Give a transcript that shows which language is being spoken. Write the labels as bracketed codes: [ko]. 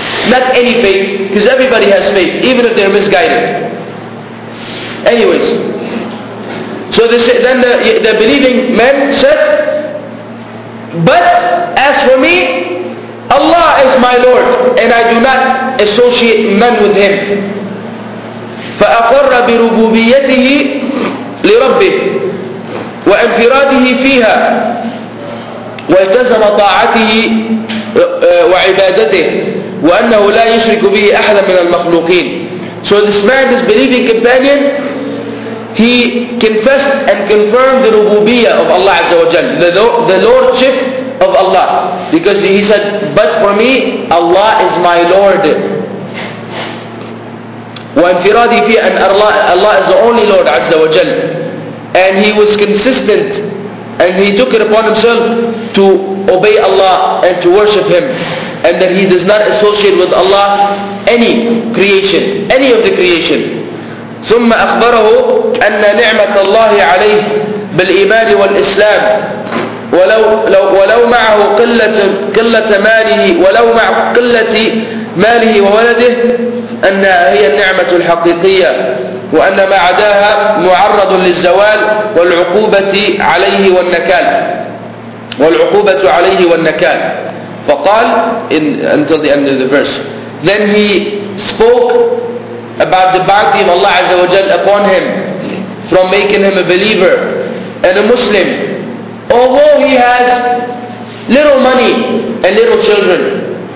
[en] Not any faith, because everybody has faith, even if they're misguided. Anyways, so they say, then the believing men said, but as for me, Allah is my Lord, and I do not associate none with Him. [ar] فأقر بربوبيته لربه وانفراده فيها والتزم طاعته وعبادته وأنه لا يشرك به أحدا من المخلوقين. [en] So this man, this believing companion, he confessed and confirmed the rububiyya of Allah Azza wa Jal, the lordship of Allah, because he said, but for me, Allah is my Lord. [ar] وانفرادي فيه أن [en] Allah is the only Lord Azza wa Jal. And he was consistent, and he took it upon himself to obey Allah and to worship Him, and that he does not associate with Allah any creation, any of the creation. [ar] ثم أخبره أن نعمة الله عليه بالإيمان والإسلام ولو معه قلة ماله ولو مع قلة ماله وولده أنها هي النعمة الحقيقية وأن ما عداها معرض للزوال والعقوبة عليه والنكال والعقوبة عليه والنكال. فقال [en] in, until the end of the verse, then he spoke about the bounty of Allah Azza wa Jal upon him from making him a believer and a Muslim, although he has little money and little children.